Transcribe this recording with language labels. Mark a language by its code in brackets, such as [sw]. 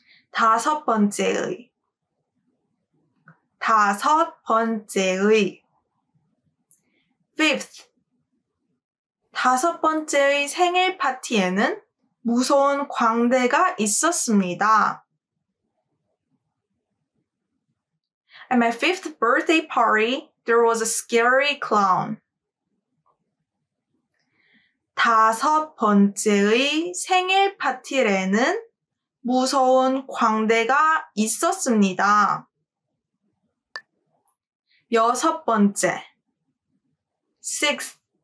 [ko] 다섯 번째의 다섯 번째의 [en] Fifth [ko] 다섯 번째의 생일 파티에는 무서운 광대가 있었습니다. [en] At my fifth birthday party, there was a scary clown. [ko] 다섯 번째의 생일 파티에는 무서운 광대가 있었습니다. 여섯 번째 [en] Sixth